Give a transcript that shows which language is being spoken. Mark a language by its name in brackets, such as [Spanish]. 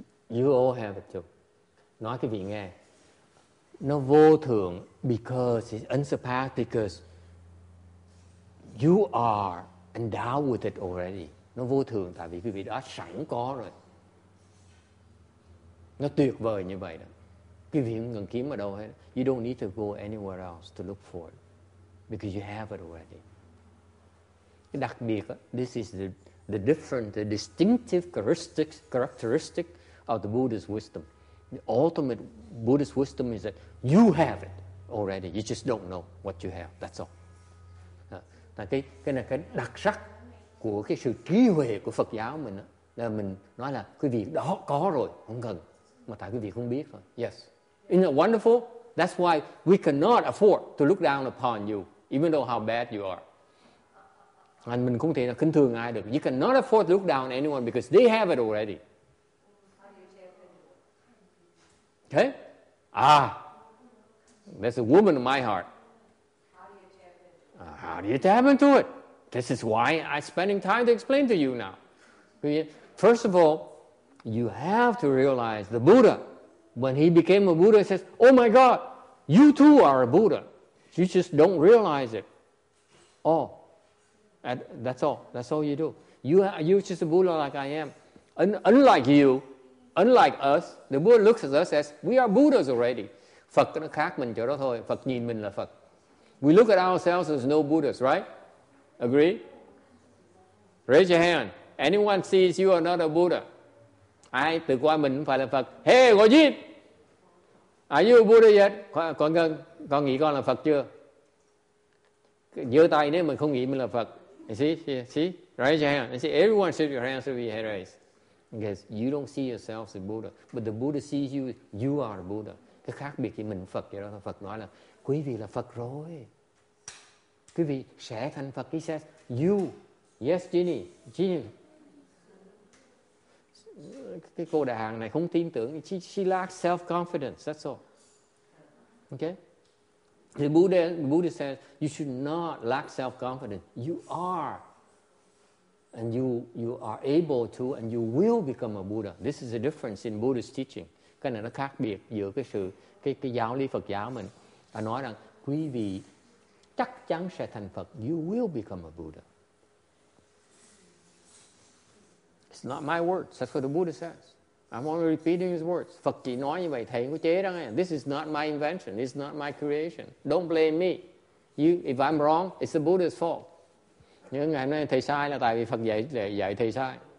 [English] You all have it too. [Vietnamese] Nói cái vị nghe. Nó vô thường [English] because it's unsurpassed because you are endowed with it already. [Vietnamese] Nó vô thường tại vì quý vị đã sẵn có rồi. Nó tuyệt vời như vậy đó. Quý vị không cần kiếm ở đâu hết. [English] You don't need to go anywhere else to look for it because you have it already. [Vietnamese] Cái đặc biệt đó, [English] this is the different, the distinctive characteristic of the Buddha's wisdom. The ultimate Buddhist wisdom is that you have it already. You just don't know what you have. That's all. [Vietnamese] Là cái này cái đặc sắc của cái sự trí huệ của Phật giáo mình đó, là mình nói là quý vị đó có rồi, không cần, mà tại quý vị không biết thôi. [English] Yes. Isn't that wonderful? That's why we cannot afford to look down upon you, even though how bad you are. [Vietnamese] And mình không thể là khinh thường ai được. [English] You cannot afford to look down anyone because they have it already. Okay? Ah, there's a woman in my heart. How do you tap into it? This is why I'm spending time to explain to you now. First of all, you have to realize the Buddha, when he became a Buddha, says, oh my God, you too are a Buddha. You just don't realize it. Oh, and that's all. That's all you do. You're just a Buddha like I am. And unlike you, unlike us, the Buddha looks at us as, we are Buddhas already. [Vietnamese] Phật nó khác mình chỗ đó thôi. Phật nhìn mình là Phật. [English] We look at ourselves as no Buddhas, right? Agree? Raise your hand. Anyone sees you are not a Buddha? [Vietnamese] Ai tự coi mình không phải là Phật? [English] Hey, Gojit! Are you a Buddha yet? [Vietnamese] Con Ngân, con nghĩ con là Phật chưa? Giơ tay nếu mình không nghĩ mình là Phật. [English] You see? See? Raise your hand. You see, everyone should your hands to be head raised. Because you don't see yourself as a Buddha. But the Buddha sees you, you are a Buddha. [Vietnamese] Cái khác biệt thì mình Phật vậy đó. Phật nói là, quý vị là Phật rồi. Quý vị sẽ thành Phật. [English] He says, you. Yes, Jeannie. [Vietnamese] Cái cô đại hàng này không tin tưởng. [English] She lacks self-confidence. That's all. Okay? The Buddha says, you should not lack self-confidence. You are. And you are able to, and you will become a Buddha. This is the difference in Buddhist teaching. [Vietnamese] Cái này nó khác biệt giữa cái giáo lý Phật giáo mình. Nó nói rằng, quý vị chắc chắn sẽ thành Phật. [English] You will become a Buddha. It's not my words. That's what the Buddha says. I'm only repeating his words. [Vietnamese] Phật chỉ nói như vậy, thầy có chế đó nghe. [English] This is not my invention. It's not my creation. Don't blame me. You, if I'm wrong, it's the Buddha's fault. [Vietnamese] Nhưng ngày hôm nay thầy sai là tại vì Phật dạy thầy sai.